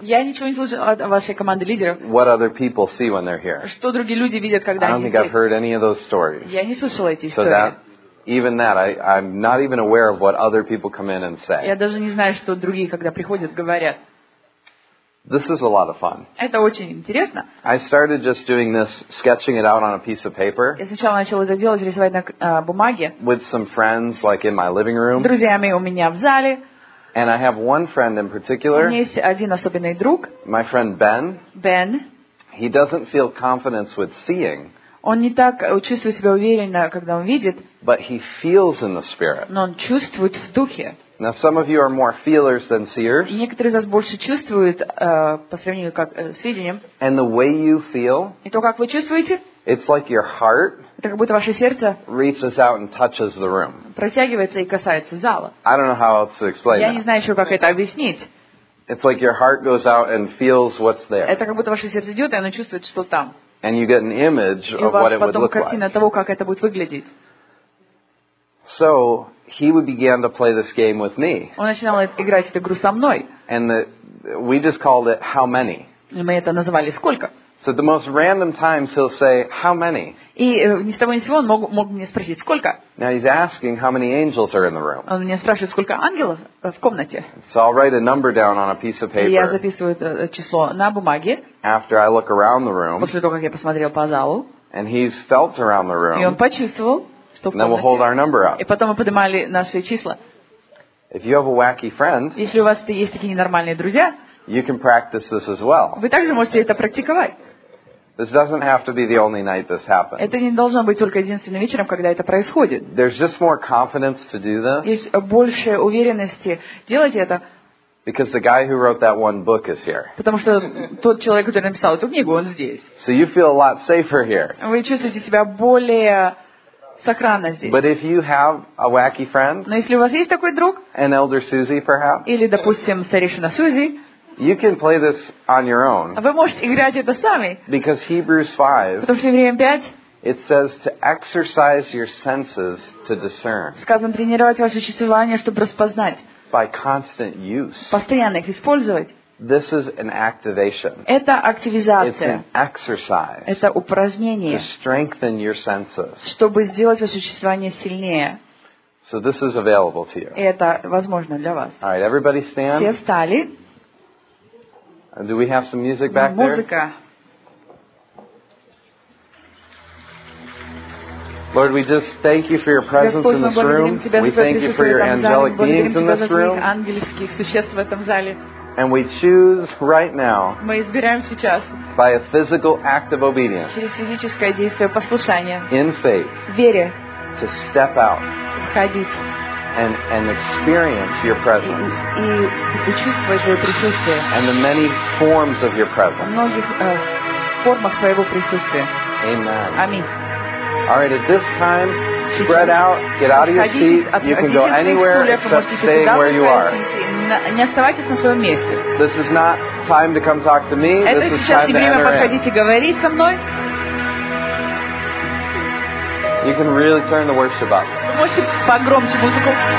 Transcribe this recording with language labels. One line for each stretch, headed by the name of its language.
Russian: Я ничего не слышал от вашей команды лидеров.
English: What other people see when they're here?
Russian: Что другие люди видят, когда они здесь?
English: I don't think I've heard any of those stories.
Russian: Я не слышал эти истории.
English: So that, even that, I'm not even aware of what other people come in and say.
Russian: Я даже не знаю, что другие, когда приходят, говорят.
English: This is a lot of fun.
Russian: Это очень интересно.
English: I started just doing this, sketching it out on a piece of paper.
Russian: Я сначала начал это делать, рисовать на бумаге.
English: With some friends, like in my living room.
Russian: С друзьями у меня в зале.
English: And I have one friend in particular.
Russian: У меня есть один особенный друг.
English: My friend Ben. Ben. He doesn't feel confidence with seeing.
Russian: Он не так чувствует себя уверенно, когда он видит.
English: But he feels in the spirit.
Russian: Но он чувствует в духе.
English: Now some of you are more feelers than seers.
Russian: Некоторые из вас больше чувствуют по сравнению как с видением.
English: And the way you feel.
Russian: И то, как вы чувствуете.
English: It's like your heart.
Russian: Это как будто ваше сердце.
English: Reaches out and touches the room.
Russian: Протягивается и касается зала.
English: I don't know how else to explain.
Russian: Я не знаю еще, как это объяснить.
English: It's like your heart goes out and feels what's there.
Russian: Это как будто ваше сердце идет, и оно чувствует, что там.
English: And you get an image of what it would look like.
Russian: И у вас потом картина того, как это будет выглядеть.
English: So he began to play this game with me.
Russian: Он начинал играть эту игру со мной.
English: And we just called it how many.
Russian: И мы это называли сколько.
English: So the most random times he'll say how many.
Russian: И ни с того ни с сего он мог мне спросить сколько.
English: Now he's asking how many angels are in the room.
Russian: Он меня спрашивает сколько ангелов в комнате.
English: So I'll write a number down on a piece of paper.
Russian: И я записываю число на бумаге.
English: After I look around the room.
Russian: После того как я посмотрел по залу.
English: And he's felt around the room.
Russian: И он почувствовал, что в комнате.
English: Then we'll hold our number up.
Russian: И потом мы поднимали наши числа.
English: If you have a wacky friend.
Russian: Если у вас есть такие ненормальные друзья.
English: You can practice this as well.
Russian: Вы также можете это практиковать.
English: This doesn't have to be the only night this happens.
Russian: Это не должно быть только единственным вечером, когда это происходит.
English: There's just more confidence to do this.
Russian: Есть больше уверенности делать это.
English: Because the guy who wrote that one book is here.
Russian: Потому что тот человек, который написал эту книгу, он здесь.
English: So you feel a lot safer here.
Russian: Вы чувствуете себя более сохранно здесь.
English: But if you have a wacky friend.
Russian: Но если у вас есть такой друг.
English: An elder Susie, perhaps.
Russian: Или, допустим, старейшина Сузи.
English: You can play this on your own.
Russian: Вы можете играть это сами.
English: Because Hebrews 5.
Russian: Потому что Евреям 5.
English: It says to exercise your senses to discern.
Russian: Сказано тренировать ваше чувствование, чтобы распознать.
English: By constant use.
Russian: Постоянно их использовать.
English: This is an activation.
Russian: Это активизация.
English: It's an exercise.
Russian: Это упражнение.
English: To strengthen your senses.
Russian: Чтобы сделать ваше чувствование сильнее.
English: So this is available to you.
Russian: Это возможно для вас.
English: All right, everybody stand.
Russian: Все встали.
English: Do we have some music back there?
Russian: Музыка.
English: Lord, we just thank you for your presence in this room. We thank you for your angelic beings in this room.
Russian: Ангельских существ в этом зале.
English: And we choose right now.
Russian: Мы избираем сейчас.
English: By a physical act of obedience.
Russian: Через физическое действие послушания.
English: In faith.
Russian: Вере.
English: To step out.
Russian: Входить.
English: And experience your presence.
Russian: И чувствовать твое присутствие.
English: And the many forms of your presence.
Russian: Многих формах твоего присутствия.
English: Amen.
Russian: Аминь.
English: All right, at this time, spread out, get out of your seat. You can go anywhere except stay where you are.
Russian: Не оставайтесь на своем месте.
English: This is not time to come talk to me.
Russian: Это сейчас не время подходить и говорить со мной.
English: You can really turn the worship up.
Russian: Можете погромче музыку.